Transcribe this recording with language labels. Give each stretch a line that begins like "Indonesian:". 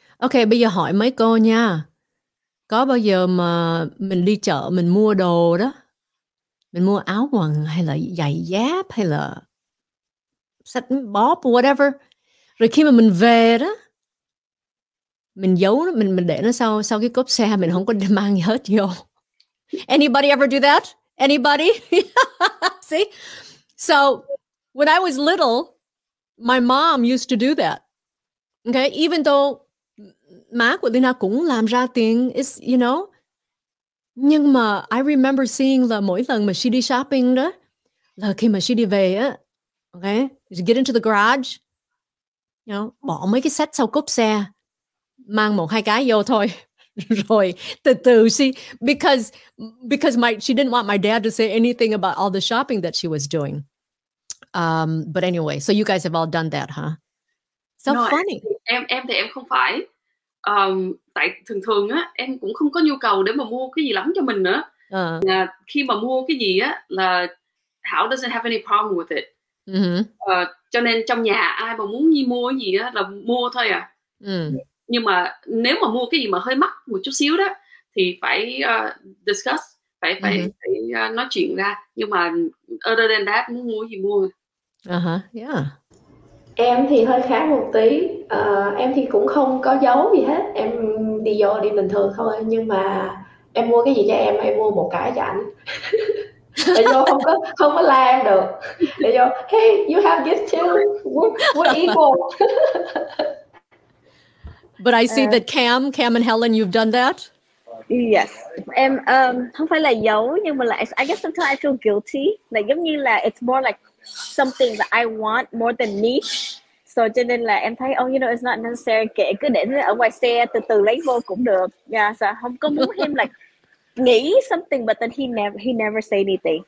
Vietnamese: Okay, bây giờ hỏi mấy cô nha. Có bao giờ mà mình đi chợ, mình mua đồ đó, mình mua áo quần hay là giày dép hay là sách bóp, whatever. Rồi khi mà mình về đó, mình giấu nó, mình để nó sau cái cốp xe, mình không có mang hết vô.
English: Anybody ever do that? Anybody? See? So, when I was little, my mom used to do that. Okay? Even though
Vietnamese: má của Lina cũng làm ra tiền,
English: it's, you know?
Vietnamese: Nhưng mà
English: I remember seeing
Vietnamese: là mỗi lần mà she đi shopping đó, là khi mà she đi về á, okay?
English: She get into the garage, you know,
Vietnamese: bỏ mấy cái set sau cốp xe, mang một hai cái vô thôi. Rồi từ từ,
English: see, because she didn't want my dad to say anything about all the shopping that she was doing. But anyway, so you guys have all done that, huh? So no, funny.
Vietnamese: Em thì em không phải. Tại thường thường á, em cũng không có nhu cầu để mà mua cái gì lắm cho mình nữa. Khi mà mua cái gì á, là Thảo
English: doesn't have any problem with it.
Vietnamese: Mm-hmm. Cho nên trong nhà ai mà muốn mua gì á, là mua thôi à. Nhưng mà nếu mà mua cái gì mà hơi mắc một chút xíu đó thì phải discuss, phải nói chuyện ra. Nhưng mà
English: other than that,
Vietnamese: muốn mua gì mua. Em thì hơi khác một tí. Em thì cũng không có giấu gì hết. Em đi vô đi bình thường thôi. Nhưng mà em mua cái gì cho em mua một cái cho anh. Để vô không có la em được. Để vô,
English: hey, you have gifts too. We're equal. But I see that Cam and Helen, you've done that? Yes.
Vietnamese: Em không phải là giấu, nhưng mà
English: like, I guess sometimes I feel guilty. Like
Vietnamese: giống như là
English: it's more like something that I want more than me. So
Vietnamese: cho nên là em thấy,
English: oh, you know, it's not necessary.
Vietnamese: Kệ, cứ để nó ở ngoài xe, từ từ lấy vô cũng được.
English: Yeah, so
Vietnamese: không có muốn
English: him like nghĩ something, but then he never say anything.